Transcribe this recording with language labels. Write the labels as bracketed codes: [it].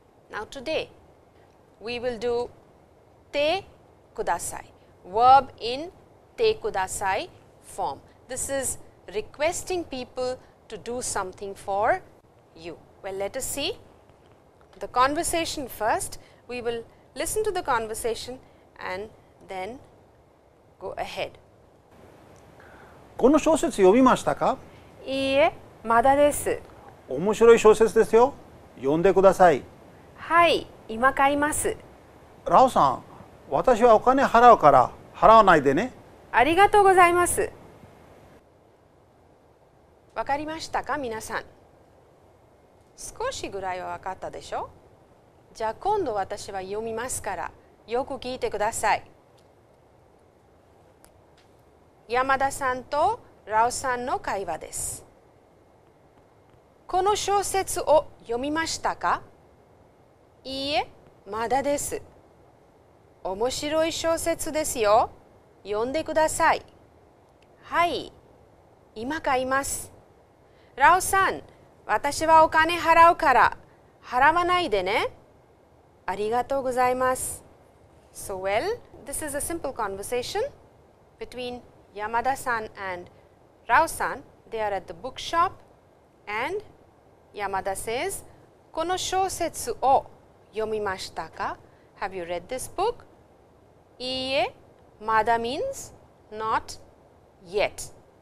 [en] Now today we will do te kudasai, verb in te kudasai form. This is requesting people to do something for you. Well, let us see the conversation first. We will listen to the conversation and then go ahead. [ja] この小説読みましたか？いいえ、まだです。面白い小説ですよ。読んでください。はい、今買います。ラオさん、私はお金払うから払わないでね。ありがとうございます。わかりましたか、皆さん。少しぐらいはわかったでしょ？じゃあ今度私は読みますから、よく聞いてください。山田さんとラオさんの会話です。この小説を読みましたか？いいえ、まだです。面白い小説ですよ。読んでください。はい、今買います。ラオさん、私はお金払うから、払わないでね。ありがとうございます。 [en] So well, this is a simple conversation between Yamada-san and Rao-san. They are at the bookshop and Yamada says, [ja] この小説を読みましたか? [en] Have you read this book? [ja] いいえ、まだ [en] means not yet.